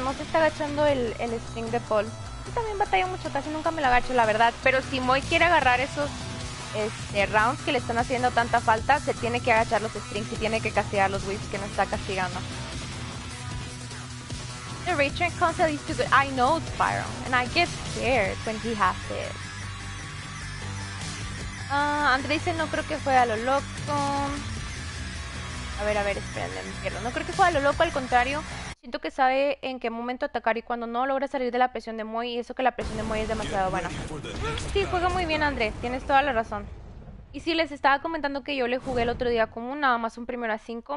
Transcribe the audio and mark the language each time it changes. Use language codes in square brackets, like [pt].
[es] No se está agachando el string de Paul. Y también batalla mucho. Casi nunca me lo agacho, la verdad. Pero si Moi quiere agarrar esos rounds que le están haciendo tanta falta, se tiene que agachar los strings y tiene que castigar los whips que no está castigando. [en] The return console is too good. I know it's Spyro. And I get scared when he has it. [es] André dice, no creo que juegue a lo loco. A ver, espérenme, me pierdo. No creo que juegue a lo loco, al contrario. Siento que sabe en qué momento atacar y cuando no logra salir de la presión de Moi. Y eso que la presión de Moi es demasiado buena. Sí, juega muy bien, André. Tienes toda la razón. Y sí, les estaba comentando que yo le jugué el otro día como nada más un primero a 5.